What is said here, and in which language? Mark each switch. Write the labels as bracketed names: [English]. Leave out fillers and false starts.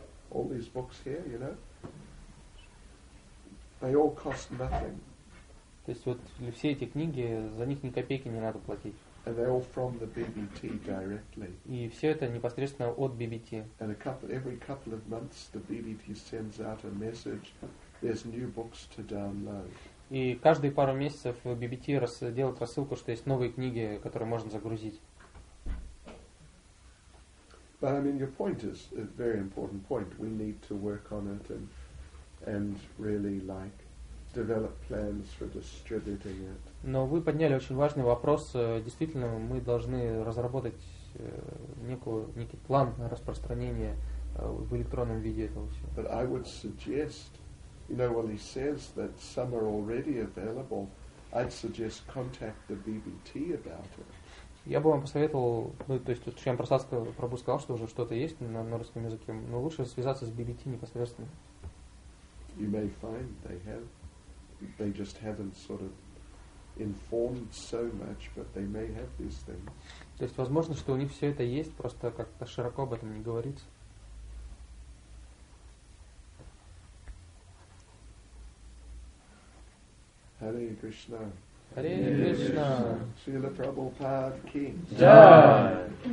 [English] All these books here, you know, they all cost nothing. [Russian] То есть вот для все эти книги за них ни копейки не надо платить. [English] And they're all from the BBT directly. [Russian] И все это непосредственно от BBT. [English] And every couple of months the BBT sends out a message. There's new books to download. [Russian] И каждые пару месяцев BBT делает рассылку, что есть новые книги, которые можно загрузить. [English] But I mean, your point is a very important point. We need to work on it and really like develop plans for distributing it. [Russian] Но вы подняли очень важный вопрос. Действительно, мы должны разработать некий план распространения в электронном виде этого всего. [English] But I would suggest, you know, while he says that some are already available, I'd suggest contact the BBT about it. [Russian] Я бы вам посоветовал, ну, то есть тут Шриам Прасад Прабу сказал, что уже что-то есть на русском языке, но лучше связаться с BBT непосредственно. [English] You may find they have. They just haven't sort of informed so much, but they may have these things. [Russian] То есть возможно, что у них все это есть, просто как-то широко об этом не говорится. [Sanskrit] Hare Krishna. Hare Krishna. [English] Srila Prabhupada King. [Sanskrit] Jai.